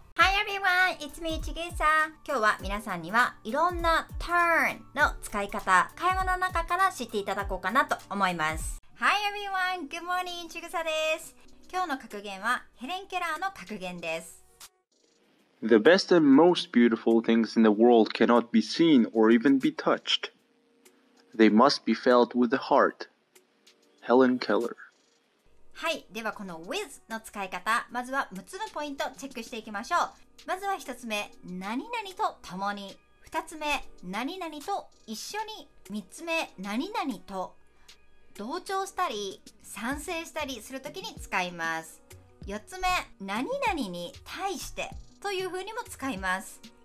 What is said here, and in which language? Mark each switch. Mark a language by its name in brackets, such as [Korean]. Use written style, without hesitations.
[English] Hi everyone! It's me, Chigusa! [Japanese] 今日は皆さんにはいろんな turn の使い方、会話の中から知っていただこうかなと思います。 [English] Hi everyone! Good morning! Chigusa です。 [Japanese] 今日の格言はヘレン・ケラーの格言です。 [English] The best and most beautiful things in the world cannot be seen or even be touched. They must be felt with the heart. Helen Keller。 [Japanese] はい、ではこの with の使い方、まずは6つのポイントチェックしていきましょう。まずは1つ目、何々と共に。2つ目、何々と一緒に。 3つ目、何々と同調したり賛成したりするときに使います。4つ目、何々に対してというふうにも使います。